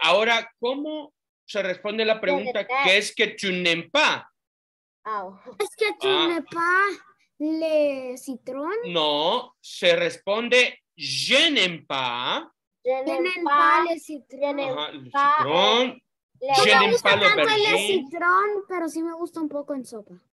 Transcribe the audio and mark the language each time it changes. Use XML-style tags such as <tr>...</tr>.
<es>Ahora, ¿cómo se responde la pregunta qué es</es> <fr>que tu n'aimes pas? Es que tu n'aimes pas le citron.</fr> <es>No, se responde</es> <fr>je n'aime pas. Je n'aime pas le citron. Je n'aime pas l'aubergine,</fr> <es>pero sí me gusta un poco en sopa.</es>